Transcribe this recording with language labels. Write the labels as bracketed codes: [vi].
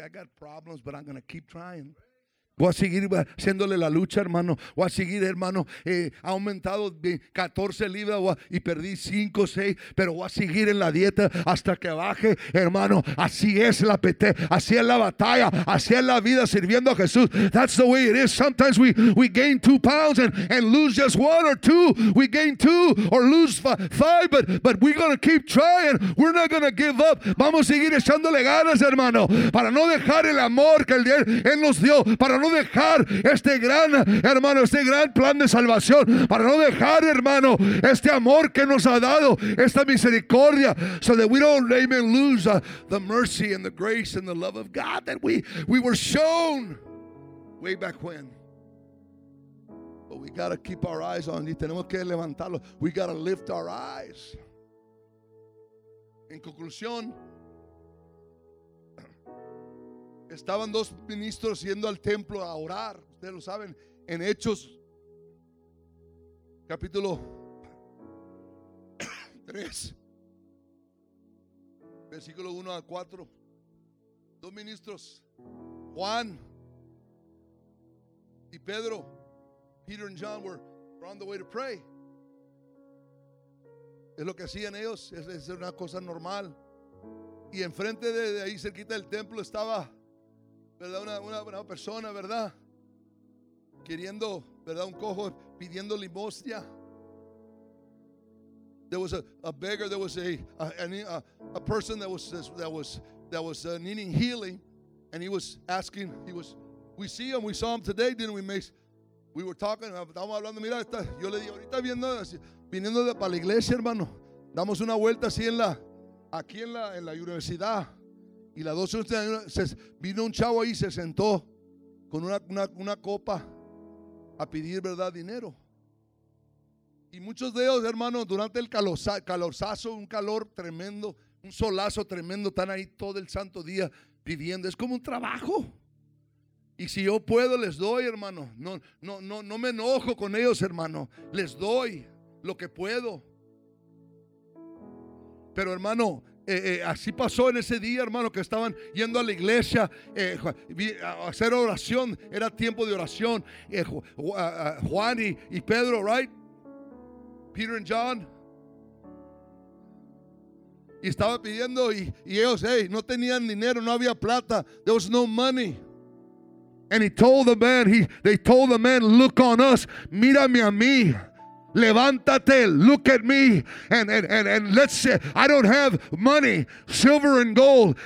[en] I got problems, but I'm going to keep trying. [es] Voy a seguir haciéndole la lucha, hermano. Voy a seguir, hermano. Ha aumentado 14 libras y perdí 5 o 6, pero voy a seguir en la dieta hasta que baje, hermano. Así es la PT, así es la batalla, así es la vida sirviendo a Jesús. [en] That's the way it is. Sometimes we gain 2 pounds and lose just 1 or 2. We gain 2 or lose 5, but we're going to keep trying. We're not going to give up. [es] Vamos a seguir echándole ganas, hermano, para no dejar el amor que él nos dio, para no dejar este gran, hermano, este gran plan de salvación, para no dejar, hermano, este amor que nos ha dado, esta misericordia, [en] so that we don't even lose the mercy and the grace and the love of God that we were shown way back when. But we gotta keep our eyes on, [es] y tenemos que levantarlo. [en] We gotta lift our eyes. [es] En conclusión, estaban dos ministros yendo al templo a orar. Ustedes lo saben en Hechos capítulo 3, versículo 1 a 4. Dos ministros, [en] Juan y Pedro, Peter and John were on the way to pray. [es] Es lo que hacían ellos, es una cosa normal. Y enfrente de ahí, cerquita del templo, estaba, ¿verdad?, una persona, ¿verdad?, queriendo, ¿verdad?, un cojo pidiendo limosna. [en] There was a beggar, there was a person that was needing healing, and he was asking, we see him, we saw him today, didn't we, Mace? We were talking, [es] estábamos hablando, mira, está, yo le dije, ahorita viendo, viniendo de, para la iglesia, hermano, damos una vuelta así en la, aquí en la universidad, y la 12, vino un chavo ahí, se sentó con una copa a pedir, ¿verdad?, dinero. Y muchos de ellos, hermano, durante el calorzazo, un calor tremendo, un solazo tremendo, están ahí todo el santo día pidiendo. Es como un trabajo. Y si yo puedo, les doy, hermano. No me enojo con ellos, hermano. Les doy lo que puedo. Pero, hermano, así pasó en ese día, hermano, que estaban yendo a la iglesia a hacer oración. Era tiempo de oración. Juan y Pedro, [en] right? Peter and John. [es] Y estaba pidiendo, y ellos, hey, no tenían dinero, no había plata. [en] There was no money. And he told the man, they told the man, look on us, [es] mírame a mí. Levántate, [en] look at me, and let's say, I don't have money, silver and gold.